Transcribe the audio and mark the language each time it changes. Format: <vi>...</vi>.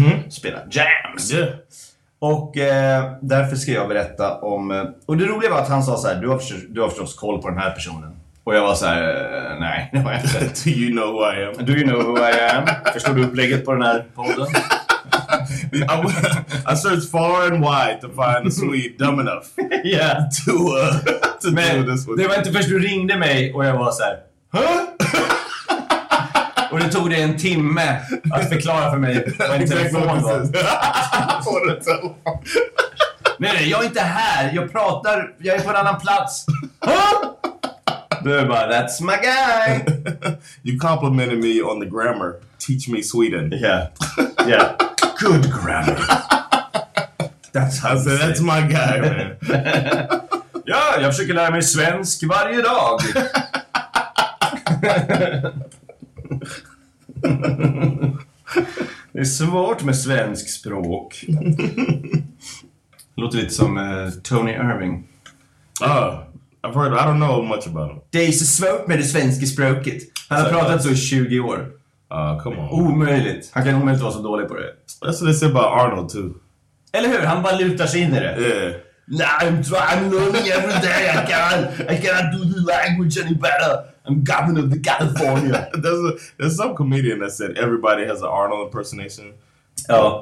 <sv>Spela jams,</sv> <en>yeah.</en> <sv>Och därför ska jag berätta om, och det roliga var att han sa så här: du har förstås koll på den här personen. Och jag var så här, nej, det var inte.</sv> <en>Do you know who I am? Do you know who I am?</en> <sv>Förstår du upplägget på den här podden?</sv> <en>I searched far and wide to find a Swede dumb enough. Yeah. To</en> <sv>men,</sv> <en>do this one.</en> <sv>Det var inte först du ringde mig och jag var så här, huh? Och det tog dig en timme att förklara för mig vad en telefon var. På en telefon. Nej, jag är inte här. Jag pratar, jag är på en annan plats. Du är bara,</sv> <en>that's my guy. You complimented me on the grammar. Teach me Sweden. Yeah. Good grammar. That's how I said, that's it. My guy, man.</en> <sv>Ja, jag försöker lära mig svensk varje dag. Det är svårt med svensk språk. Låter lite som Tony Irving.</sv> <en>Oh. I've heard, I don't know much about him.</en> <sv>Det är så svårt med det svenska språket. Han har pratat så i 20 år.</sv> <en>Come on.</en> <sv>Omöjligt. Han kan omöjligt vara så dålig på det.</sv> <en>That's what they say about Arnold too.</en> <sv>Eller hur? Han bara lutar sig in i det.</sv> <en>Yeah. Nah, I'm learning every day. I cannot do the language any better. I'm governor of the California. there's some comedian that said everybody has an Arnold impersonation. Oh.</en>